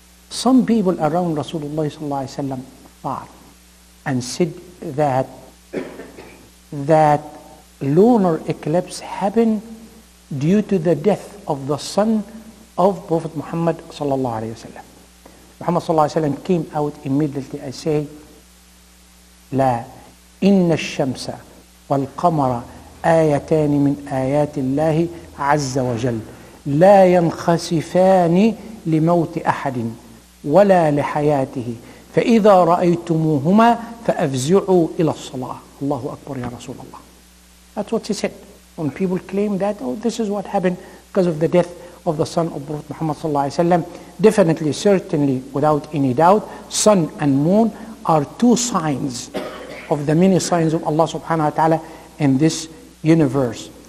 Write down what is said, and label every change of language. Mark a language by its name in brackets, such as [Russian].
[English] Some people around Rasulullah [Arabic] صلى الله عليه وسلم [English] thought and said that lunar eclipse happened due to the death of the son of Prophet Muhammad صلى الله عليه وسلم. [Arabic] Muhammad صلى الله عليه وسلم [English] came out immediately and say, [Arabic] لا إن الشمس والقمر آيتان من آيات الله عز وجل. لا ينخسفان لموت أحد ولا لحياته فإذا رأيتموهما فأفزعوا إلى الصلاة. الله أكبر يا رسول الله. [English] That's what he said. When people claim that, oh, this is what happened because of the death of the son of Prophet Muhammad [Arabic] صلى الله عليه وسلم. [English] Definitely, certainly, without any doubt, sun and moon are two signs of the many signs of Allah [Arabic] subhanahu wa ta'ala [English] in this universe.